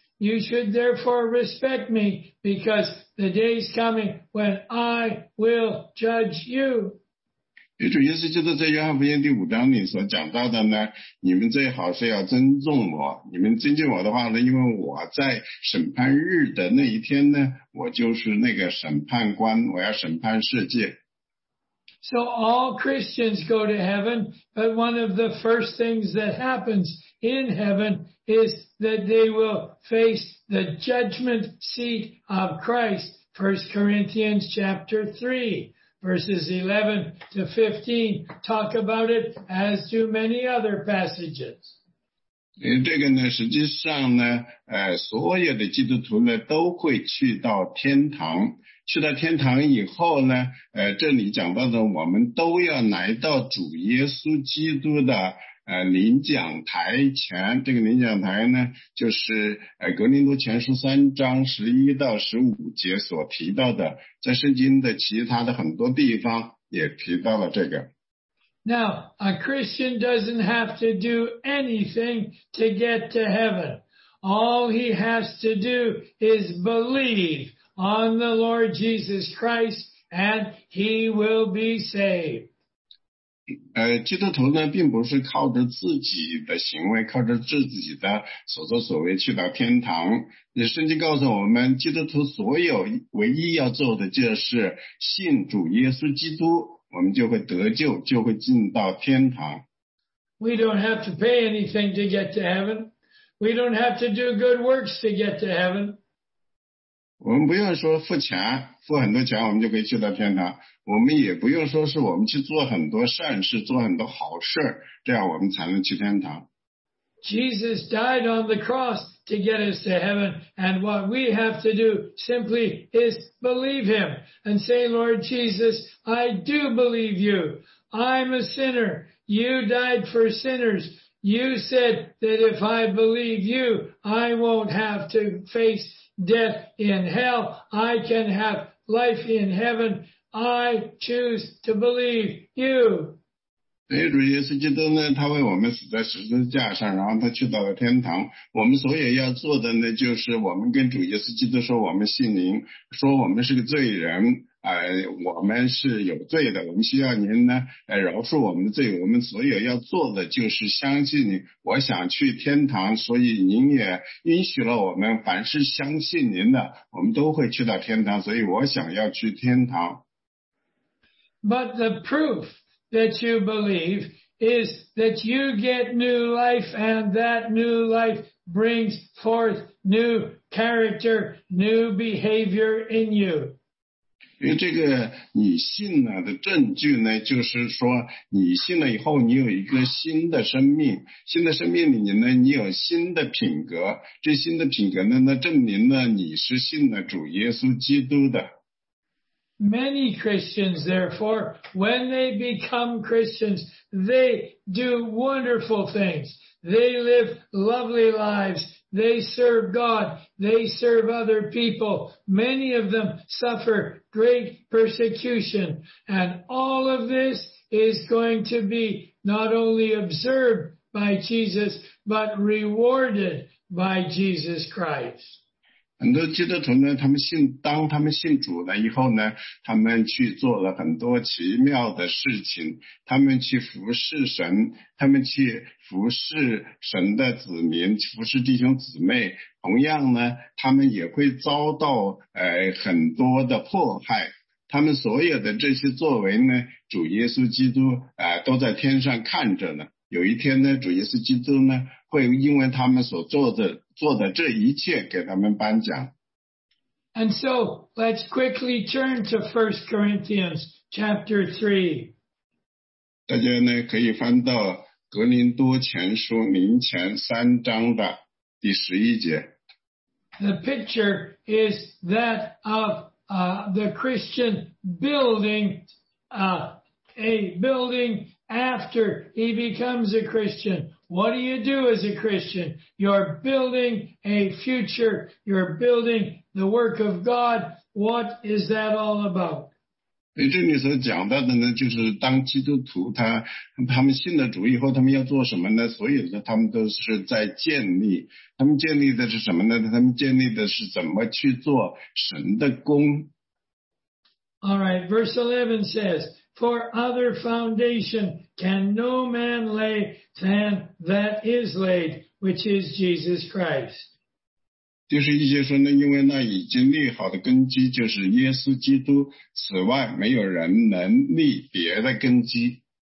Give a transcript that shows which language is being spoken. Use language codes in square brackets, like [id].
[en] You should therefore respect me because the day's coming when I will judge you. [zh] 也主耶稣基督在约翰福音第五章里所讲到的呢，你们最好是要尊重我，你们尊敬我的话呢，因为我在审判日的那一天呢，我就是那个审判官，我要审判世界。 [en] So all Christians go to heaven, but one of the first things that happens in heaven is that they will face the judgment seat of Christ, 1 Corinthians chapter 3. Verses 11 to 15 talk about it, as do many other passages. [zh] 这个呢，实际上呢，所有的基督徒呢都会去到天堂。去到天堂以后呢，这里讲到的，我们都要来到主耶稣基督的领奖台前。这个领奖台呢，就是格林多前书三章十一到十五节所提到的，在圣经的其他的很多地方也提到了这个。 [en] Now, a Christian doesn't have to do anything to get to heaven. All he has to do is believe on the Lord Jesus Christ, and he will be saved. [zh] 基督徒呢并不是靠着自己的行为，靠着自己的所作所为去到天堂。圣经告诉我们，基督徒所有唯一要做的就是信主耶稣基督，我们就会得救，就会进到天堂。 [en] We don't have to pay anything to get to heaven. We don't have to do good works to get to heaven. [zh] 我们不用说付钱，付很多钱我们就可以去到天堂，我们也不用说是我们去做很多善事，做很多好事，这样我们才能去天堂。 [en] Jesus died on the cross to get us to heaven, and what we have to do simply is believe him and say, Lord Jesus, I do believe you. I'm a sinner. You died for sinners. You said that if I believe you, I won't have to face death in hell. I can have life in heaven. I choose to believe you. [zh] 所以主耶稣基督呢，他为我们死在十字架上，然后他去到了天堂。我们所以要做的呢，就是我们跟主耶稣基督说，我们信您，说我们是个罪人，我们是有罪的，我们需要您呢，饶恕我们的罪。我们所以要做的就是相信您，我想去天堂，所以您也允许了我们，凡是相信您的，我们都会去到天堂。所以我想要去天堂。 [en] But the proof. That you believe is that you get new life, and that new life brings forth new character, new behavior in you. [zh] 因为这个你信了的证据呢，就是说你信了以后，你有一个新的生命，新的生命里呢，你有新的品格，这新的品格呢，那证明呢，你是信了主耶稣基督的。 [en] Many Christians, therefore, when they become Christians, they do wonderful things. They live lovely lives. They serve God. They serve other people. Many of them suffer great persecution. And all of this is going to be not only observed by Jesus, but rewarded by Jesus Christ. [zh] 很多基督徒呢，他们信，当他们信主了以后呢，他们去做了很多奇妙的事情，他们去服侍神，他们去服侍神的子民，服侍弟兄姊妹，同样呢，他们也会遭到很多的迫害，他们所有的这些作为呢，主耶稣基督都在天上看着呢，有一天呢，主耶稣基督呢会因为他们所做的这一切给他们颁奖。 [en] And so, let's quickly turn to 1 Corinthians chapter 3. [zh] 大家呢可以翻到格林多前书林前三章的第十一节。 [en] The picture is that of the Christian building a building after he becomes a Christian. What do you do as a Christian? You're building a future. You're building the work of God. What is that all about? [zh] 这里所讲到的呢，就是当基督徒他们信了主以后，他们要做什么呢？所有的他们都是在建立。他们建立的是什么呢？他们建立的是怎么去做神的工。 [en] All right, verse 11 says,For other foundation can no man lay than that is laid, which is Jesus Christ. [zh] 第十一节说呢，因为那已经立好的根基就是耶稣基督，此外没有人能立别的根基。